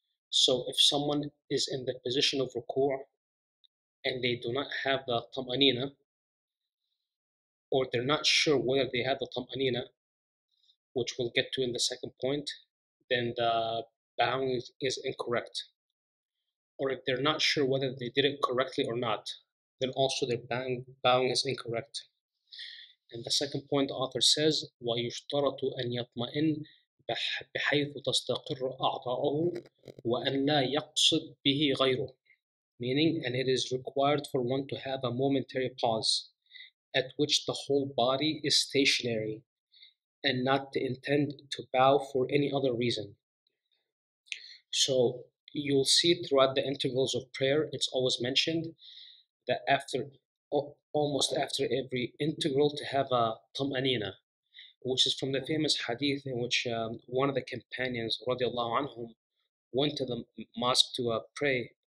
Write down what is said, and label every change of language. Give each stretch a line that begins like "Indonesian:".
English: So if someone is in the position of ruku' and they do not have the tam'anina, or they're not sure whether they have the tam'anina, which we'll get to in the second point, then the bowing is incorrect. Or if they're not sure whether they did it correctly or not, then also their bowing is incorrect. And the second point, the author says,
Arabic: وَيُشْتَرَطُ أَنْ يَطْمَئِنْ بِحَيْثُ تَسْتَقِرُ أَعْضَاؤُهُ وَأَنْ لَا يَقْصُدْ بِهِ غَيْرُهُ.
English: Meaning, and it is required for one to have a momentary pause at which the whole body is stationary and not to intend to bow for any other reason. So you'll see throughout the intervals of prayer, it's always mentioned that after almost after every integral to have a tum'anina, which is from the famous hadith in which one of the companions, radiallahu anhum, went to the mosque to pray,